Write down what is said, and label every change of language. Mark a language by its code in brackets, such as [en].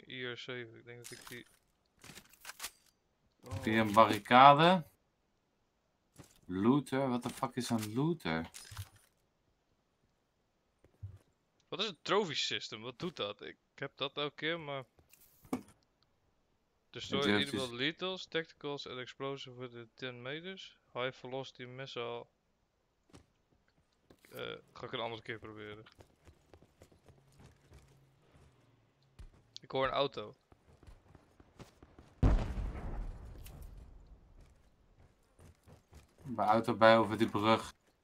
[nl] IR7, ik denk dat ik die... Oh. Hier een barricade. Looter, wat de fuck is een looter? Wat is een trophy system? Wat doet dat? Ik heb dat elke keer, maar... [en] Destroy individual lethals, tacticals and explosives within 10 meters. High velocity missile. [nl] Ga ik een andere keer proberen. Ik hoor een auto. Mijn auto bij over die brug.